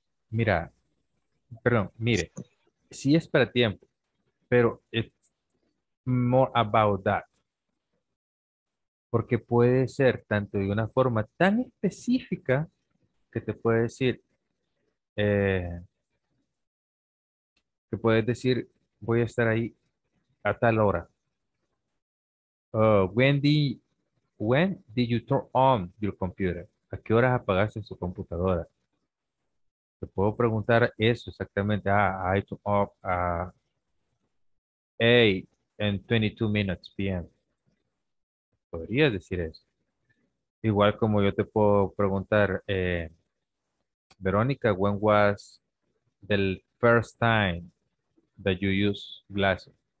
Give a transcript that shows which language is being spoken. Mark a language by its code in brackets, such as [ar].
[es] mira, perdón, mire, sí es para tiempo, pero [en] it's more about that. [es] Porque puede ser tanto de una forma tan específica que te puede decir, que puedes decir, voy a estar ahí a tal hora. [en] When did you turn on your computer? [es] ¿A qué horas apagaste su computadora? Te puedo preguntar eso exactamente. [en] Ah, I turned off at 8:22 p.m. [es] Podrías decir eso. Igual como yo te puedo preguntar, Verónica, [en] when was the first time that you used glasses?